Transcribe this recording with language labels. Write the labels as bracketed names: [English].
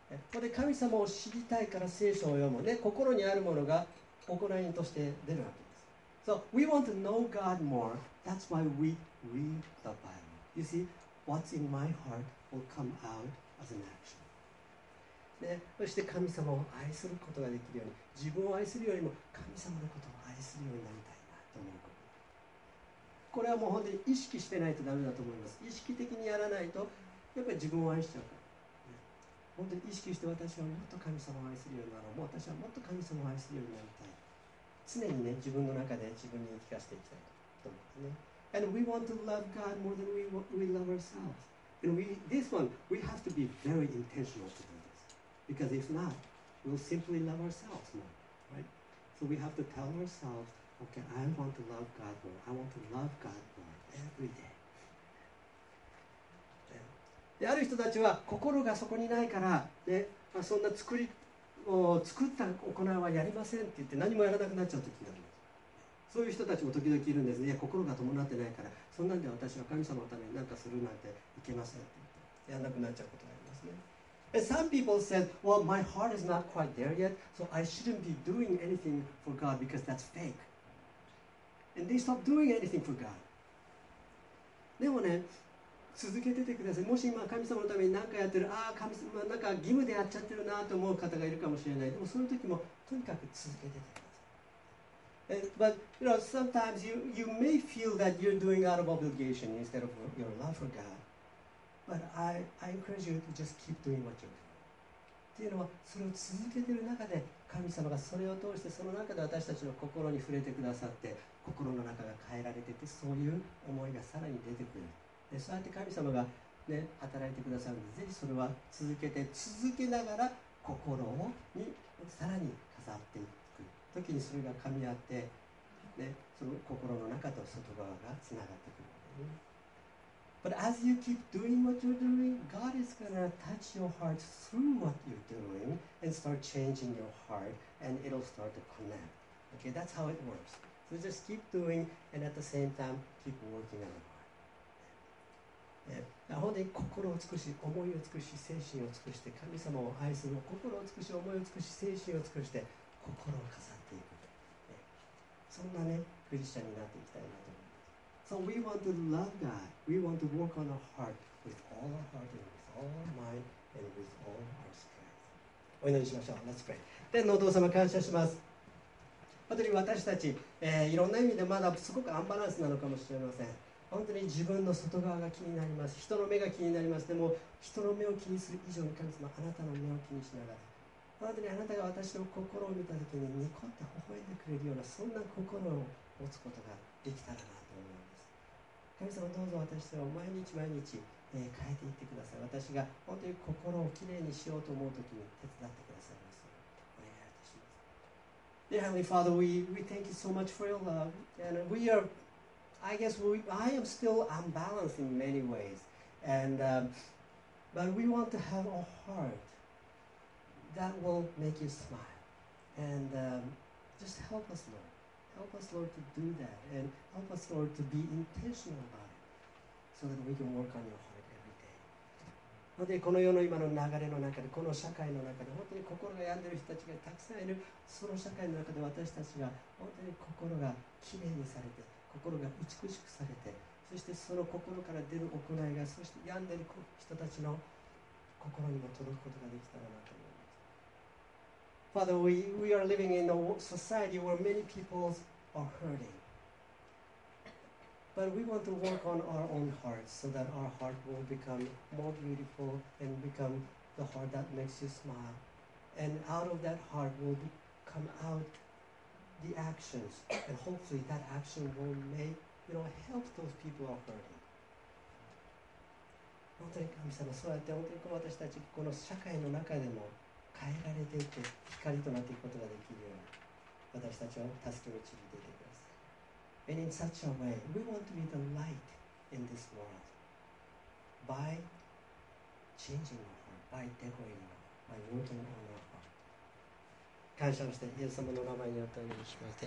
[Japanese] これ神様を知りたいから聖書を読むね、心にあるものが行いとして出るわけです。 [English] So we want to know God more. That's why we read the Bible. You see, what's in my heart will come out as an action. [Japanese] で、そして神様を愛することができるように、自分を愛するよりも神様のことを愛するようになりたいなと思うこと。これはもう本当に意識してないとダメだと思います。意識的にやらないと、やっぱり自分を愛しちゃう。本当に意識して、私はもっと神様を愛するようになろう、もう私はもっと神様を愛するようになりたい、常にね、自分の中で自分に言い聞かせていきたいと思うんですね。 [English] And we want to love God more than we love ourselves. And we, this one, we have to be very intentional to do this. Because if not, we'll simply love ourselves more, right? So we have to tell ourselves, okay, I want to love God more. I want to love God more every day. [Japanese] で、ある人たちは心がそこにないから、ね、まあ、そんな作った行いはやりませんって言って何もやらなくなっちゃう時があります。そういう人たちも時々いるんですね。いや、心が伴ってないから、そんなんで私は神様のために何かするなんていけませんって言ってやらなくなっちゃうことがありますね。 [English] Some people said, well, my heart is not quite there yet, so I shouldn't be doing anything for God because that's fake. And they stop doing anything for God. [Japanese] でもね、続けててください。もし今神様のために何かやってる、ああ神様なんか義務でやっちゃってるなと思う方がいるかもしれない。でもその時もとにかく続けててください。 [English] But you know, sometimes you may feel that you're doing out of obligation instead of your love for God. But I encourage you to just keep doing what you're doing. [Japanese] っていうのはそれを続けてる中で神様がそれを通してその中で私たちの心に触れてくださって、心の中が変えられてて、そういう思いがさらに出てくる。でそうやって神様が、ね、働いてくださるので、ぜひそれは続けながら心にさらに飾っていく時に、それが噛み合って、ね、その心の中と外側がつながってくる。 [English] But as you keep doing what you're doing, God is going to touch your heart through what you're doing and start changing your heart and it'll start to connect. Okay, that's how it works. So just keep doing and at the same time keep working on it. [Japanese] 本当に心を尽くし、思いを尽くし、精神を尽くして神様を愛する、心を尽くし、思いを尽くし、精神を尽くして心を飾っていく、そんなね、クリスチャンになっていきたいなと思います。 [English] So we want to love God. We want to work on our heart with all our heart and with all our mind and with all our strength. [Japanese] お祈りしましょう。 [English] Let's pray. [Japanese] 天のお父様、感謝します。本当に私たち、いろんな意味でまだすごくアンバランスなのかもしれません。本当に自分の外側が気になります。人の目が気になります。でも人の目を気にする以上に、神様、あなたの目を気にしながら、本当にあなたが私の心を見た時にニコって微笑んでくれるような、そんな心を持つことができたらなと思います。神様、どうぞ私を毎日毎日、変えていってください。私が本当に心をきれいにしようと思う時に手伝ってくださいます。お願いいたします。 [English] Dear Heavenly Father, we thank you so much for your love, and we areI guess I am still unbalanced in many ways. And, but we want to have a heart that will make you smile. And just help us, Lord. Help us, Lord, to do that. And help us, Lord, to be intentional about it so that we can work on your heart every day. [Japanese] この世の今の流れの中で、この社会の中で、本当に心が病んでいる人たちがたくさんいる、その社会の中で私たちが本当に心がきれいにされて、心が美しくされて、そしてその心から出る行いが、そして病んでいる人たちの心にも届くことができたらなと思います。 [English] Father, we are living in a society where many people are hurting. But we want to work on our own hearts so that our heart will become more beautiful and become the heart that makes you smile. And out of that heart will come outthe actions, and hopefully that action will make, you know, help those people who are hurting. [Japanese] 本当に神様、そうやって本当にこの私たち、この社会の中でも変えられていて、光となっていくことができるように、私たちを助けを導いていてください。 [English] And in such a way, we want to be the light in this world by changing our heart, by decorating our heart, by working on our heart. [Japanese] 感謝をして、イエス様の名前によってお祈りします。